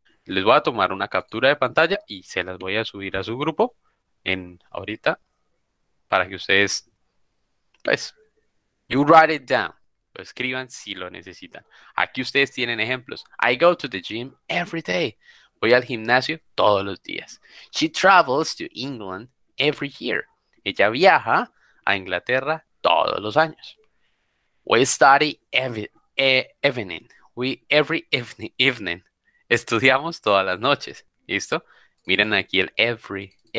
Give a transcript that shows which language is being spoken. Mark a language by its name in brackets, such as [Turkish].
[Spanish] Les voy a tomar una captura de pantalla y se las voy a subir a su grupo en ahorita para que ustedes. Pues, [English] you write it down. [Spanish] Lo escriban si lo necesitan. Aquí ustedes tienen ejemplos. [English] I go to the gym every day. [Spanish] Voy al gimnasio todos los días. [English] She travels to England every year. [Spanish] Ella viaja a Inglaterra todos los años. [English] We study evening. We every evening. [Spanish] Estudiamos todas las noches. ¿Listo? Miren aquí el every.